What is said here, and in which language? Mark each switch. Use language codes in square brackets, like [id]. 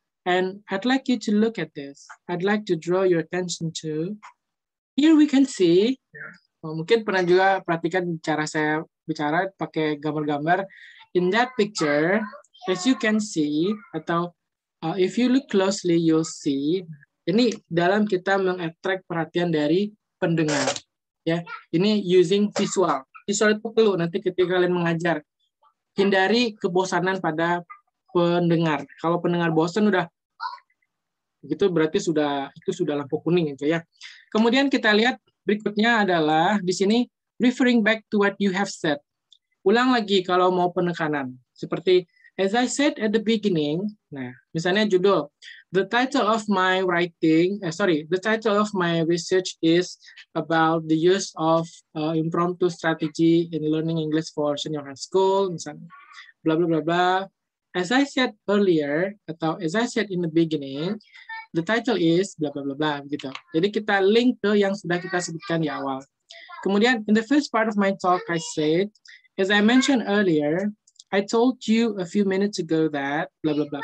[en] And I'd like you to look at this. I'd like to draw your attention to. Here we can see. [id] Oh, mungkin pernah juga perhatikan cara saya bicara pakai gambar-gambar. [en] In that picture, as you can see, [id] atau [en] if you look closely, you'll see. [id] Ini dalam kita mengattract perhatian dari pendengar. Ya, ini [en] using visual. [id] Visual itu perlu nanti ketika kalian mengajar. Hindari kebosanan pada pendengar. Kalau pendengar bosan udah begitu berarti sudah itu sudah lampu kuning gitu ya. Kemudian kita lihat berikutnya adalah di sini referring back to what you have said. Ulang lagi kalau mau penekanan. Seperti [en] as I said at the beginning, [id] nah, misalnya judul [en] the title of my writing, the title of my research is about the use of impromptu strategy in learning English for senior high school, [id] misalnya [en] bla bla bla bla. As I said earlier, [id] atau [en] as I said in the beginning, the title is bla bla bla bla [id] gitu. Jadi kita link ke yang sudah kita sebutkan di awal. [en] Kemudian in the first part of my talk I said, as I mentioned earlier, I told you a few minutes ago that bla bla bla.